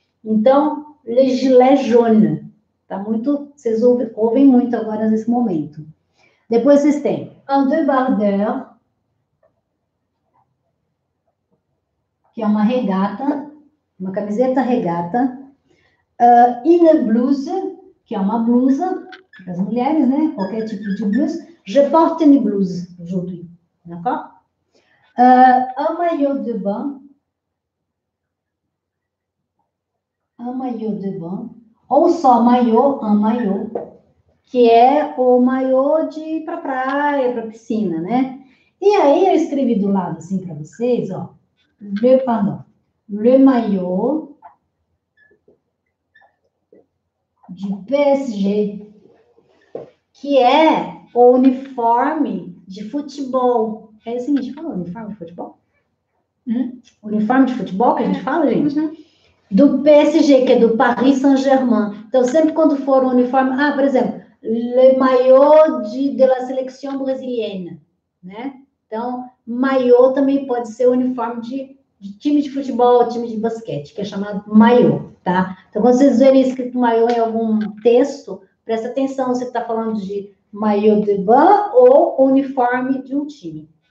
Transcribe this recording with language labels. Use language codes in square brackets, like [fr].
[pt] Então, le gilet jaune. Tá muito, vocês ouvem muito agora nesse momento. Depois vocês têm un débardeur, que é uma regata, uma camiseta regata. Une blouse, que é uma blusa, para as mulheres, né? Qualquer tipo de blusa. [fr] Je porte une blouse aujourd'hui, d'accord? Un maillot de bain. Un maillot de bain. [pt] Ou só [fr] maillot, un maillot. [pt] Que é o maillot de ir pra praia, pra piscina, né? E aí eu escrevi do lado assim pra vocês, ó. [fr] Le, pardon. Le maillot de PSG. [pt] Que é o uniforme de futebol. É assim que a gente fala, uniforme de futebol? Uniforme de futebol que a gente fala, gente? Do PSG, que é do Paris Saint-Germain. Então, sempre quando for um uniforme... Ah, por exemplo, [fr] le maillot de la sélection brésilienne, né? [pt] Então, maillot também pode ser uniforme de time de futebol, time de basquete, que é chamado maillot, tá? Então, quando vocês verem escrito maillot em algum texto, presta atenção se você está falando de maillot de bain ou uniforme de um time.